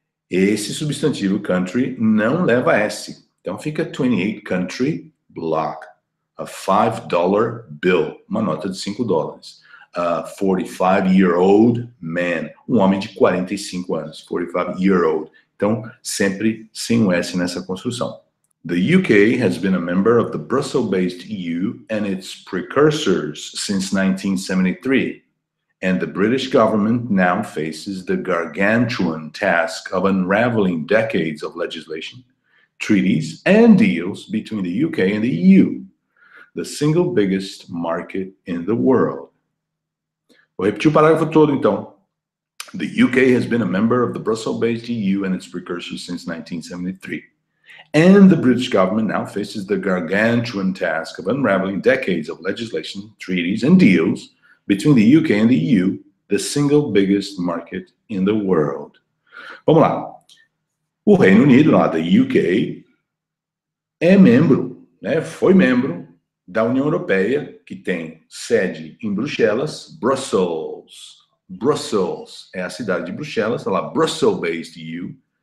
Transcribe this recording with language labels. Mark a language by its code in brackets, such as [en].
[pt] Esse substantivo country não leva S. Então fica 28 country block. [en] A $5 bill, [pt] uma nota de $5. [en] 45-year-old man, [pt] um homem de 45 anos, [en] 45-year-old. [pt] Então, sempre sem um S nessa construção. [en] The UK has been a member of the Brussels-based EU and its precursors since 1973, and the British government now faces the gargantuan task of unraveling decades of legislation, treaties, and deals between the UK and the EU, the single biggest market in the world. [pt] Vou repetir o parágrafo todo, então. [en] The UK has been a member of the Brussels-based EU and its precursors since 1973. And the British government now faces the gargantuan task of unraveling decades of legislation, treaties, and deals between the UK and the EU, the single biggest market in the world. [pt] Vamos lá. O Reino Unido, lá, [en] the UK, [pt] é membro, né? Foi membro da União Europeia, que tem sede em Bruxelas, Brussels. Brussels é a cidade de Bruxelas, lá, [en] Brussels-based EU.